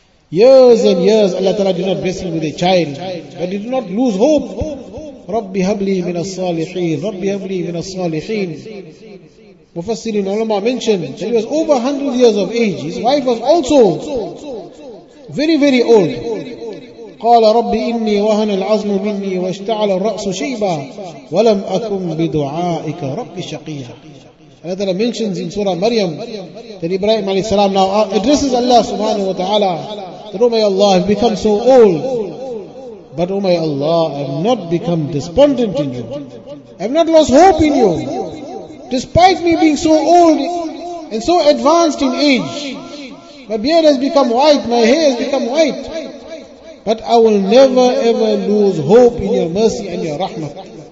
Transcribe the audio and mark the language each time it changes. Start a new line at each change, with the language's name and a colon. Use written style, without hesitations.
English: Years and years Allah ta'ala did not bless him with a child, but he did not lose hope.
Arabic: Rabbi habli min as-salihin, Rabbi habli min as-salihin.
English: Mufassirin ulama mentioned that he was over 100 years of age. His wife was also very, very old.
Arabic: قال رب إني وهن العظم مني واشتعل الرأس شيبا ولم أكن بدعائك رب شقيا.
English: Allah Ta'ala mentions in Surah Maryam that Ibrahim alayhi salam now addresses Allah subhanahu wa ta'ala that, oh my Allah, I've become so old, but oh my Allah, I've not become despondent in you. I've not lost hope in you. Despite me being so old and so advanced in age, my beard has become white, my hair has become white, but I will never ever lose hope in your mercy and your rahmah.